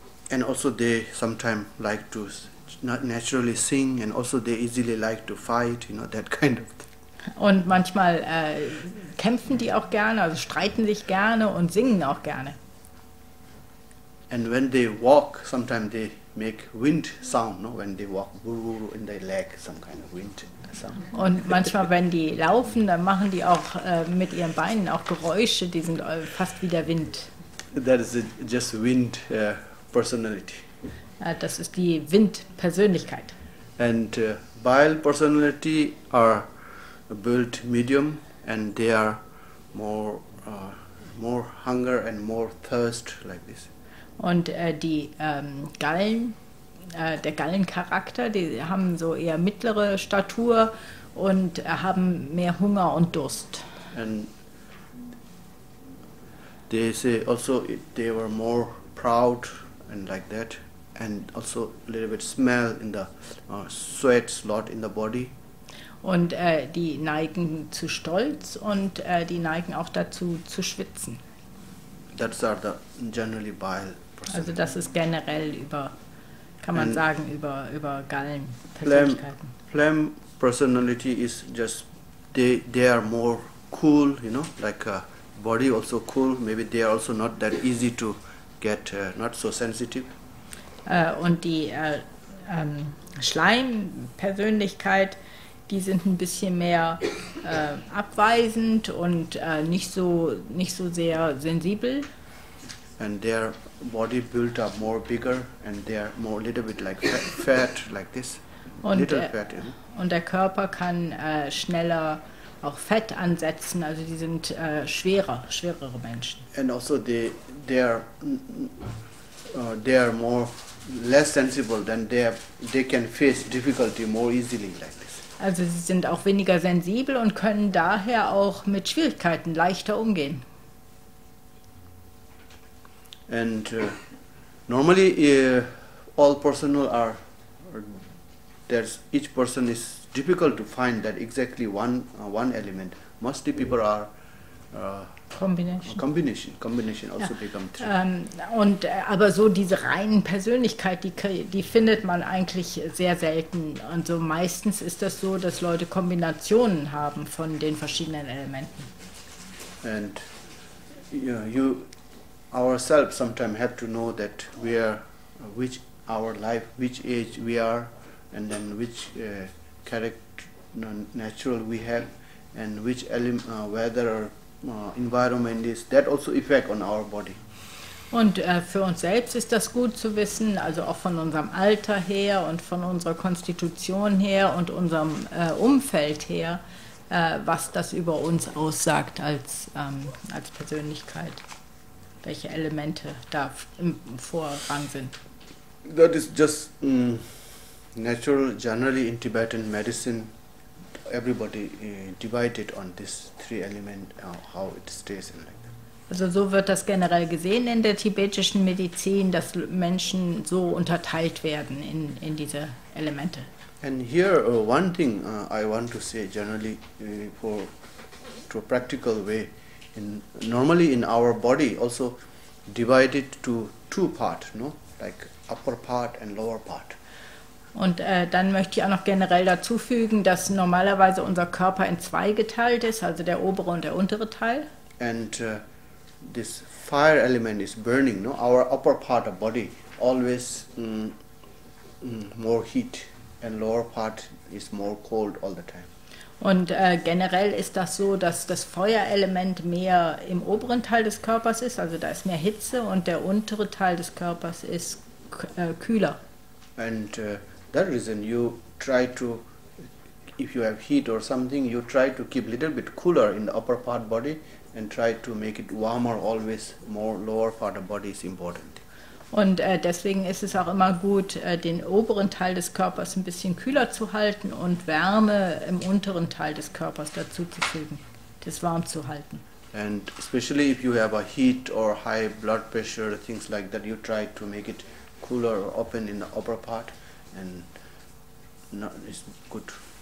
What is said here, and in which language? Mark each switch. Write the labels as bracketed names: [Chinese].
[English] And also they sometimes like to not naturally sing, and also they easily like to fight, you know, that kind of thing. [German] Und manchmal kämpfen die auch gerne, also streiten sich gerne und singen auch gerne. [English] And when they walk, sometimes they make wind sound, no? When they walk, in their leg, some kind of wind sound. [German] Und manchmal, wenn die laufen, dann machen die auch mit ihren Beinen auch Geräusche, die sind fast wie der Wind. [English] That is just wind personality. [German] Das ist die Wind-Persönlichkeit. [English] And bile personality are built medium, and they are more more hunger and more thirst like this. [German] Und die Gallen, der Gallencharakter, die haben so eher mittlere Statur und haben mehr Hunger und Durst. [English] And they say also they were more proud and like that, and also a little bit smell in the sweats lot in the body. [German] Und die neigen zu Stolz und die neigen auch dazu zu schwitzen. [English] That's are the generally bile person. [German] Also das ist generell über, kann man [English] and [German] sagen, über Gallenpersönlichkeiten. [English] Phlegm personality is just they are more cool, you know, like a body also cool. Maybe they are also not that easy to get, not so sensitive. [German] Und die Schleimpersönlichkeit, die sind ein bisschen mehr abweisend und nicht so sehr sensibel. [English] And their body built up more bigger, and they are more little bit like fat like this. [German] Und [English] little fat, you know? [German] Und der Körper kann schneller auch Fett ansetzen, also die sind schwerere Menschen. [English] And also they are more less sensible than they can face difficulty more easily like this. [German] Also sie sind auch weniger sensibel und können daher auch mit Schwierigkeiten leichter umgehen. [English] And normally all personal are there's each person is difficult to find that exactly one element. Mostly people are Combination [German] also ja. [English] Become three. [German] Und aber so diese reinen Persönlichkeit, die findet man eigentlich sehr selten. Und so meistens ist das so, dass Leute Kombinationen haben von den verschiedenen Elementen. [English] And you ourselves sometimes have to know that we are which our life, which age we are, and then which character natural we have, and which element, weather environment is that also effect on our body. [German] Und für uns selbst ist das gut zu wissen, also auch von unserem Alter her und von unserer Konstitution her und unserem Umfeld her, was das über uns aussagt als, als Persönlichkeit, welche Elemente da im Vorrang sind. [English] That is just natural, generally in Tibetan medicine, everybody divided on these three elements, how it stays in like. [German] Also so wird das generell gesehen in der tibetischen Medizin, dass Menschen so unterteilt werden in diese Elemente. [English] And here one thing I want to say generally for to a practical way, in normally in our body also divided to two part, no, like upper part and lower part. [German] Und dann möchte ich auch noch generell dazu fügen, dass normalerweise unser Körper in zwei geteilt ist, also der obere und der untere Teil. [English] And this fire element is burning, no? Our upper part of body always more heat, and lower part is more cold all the time. [German] Und generell ist das so, dass das Feuerelement mehr im oberen Teil des Körpers ist, also da ist mehr Hitze, und der untere Teil des Körpers ist kühler. [English] And that reason you try to, if you have heat or something, you try to keep a little bit cooler in the upper part body and try to make it warmer always, more lower part of body is important. [German] Und deswegen ist es auch immer gut, den oberen Teil des Körpers ein bisschen kühler zu halten und Wärme im unteren Teil des Körpers dazu zu fügen, das warm zu halten. [English] And especially if you have a heat or high blood pressure, things like that, you try to make it cooler or open in the upper part, and not, it's good.